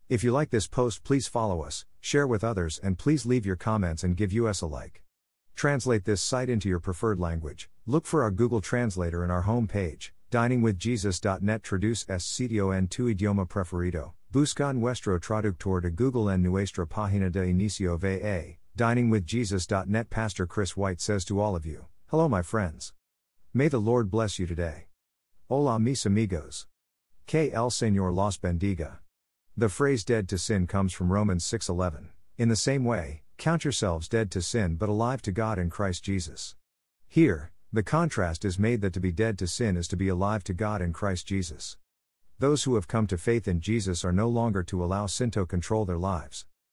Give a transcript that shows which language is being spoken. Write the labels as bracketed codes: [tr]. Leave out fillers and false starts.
[en] If you like this post, please follow us, share with others, and please leave your comments and give us a like. Translate this site into your preferred language. Look for our Google Translator in our homepage, diningwithjesus.net. [es] Traduce es sitio en tu idioma preferido. Busca nuestro traductor de Google en nuestra página de inicio VA, diningwithjesus.net. [en] Pastor Chris White says to all of you, hello my friends. May the Lord bless you today. [es] Hola mis amigos. Que el Señor los bendiga. [en] The phrase dead to sin comes from Romans 6:11. In the same way, count yourselves dead to sin but alive to God in Christ Jesus. Here, the contrast is made that to be dead to sin is to be alive to God in Christ Jesus. Those who have come to faith in Jesus are no longer to allow sin to control their lives.